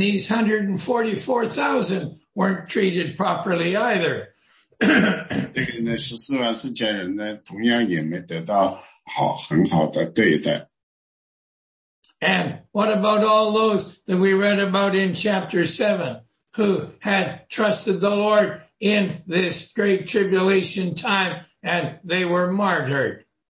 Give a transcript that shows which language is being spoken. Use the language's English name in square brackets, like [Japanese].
[English] these 144,000 weren't treated properly either. [Chinese] 这个呢，14万4千人呢，同样也没得到很好的对待。 [English] And what about all those that we read about in chapter 7 who had trusted the Lord in this great tribulation time and they were martyred?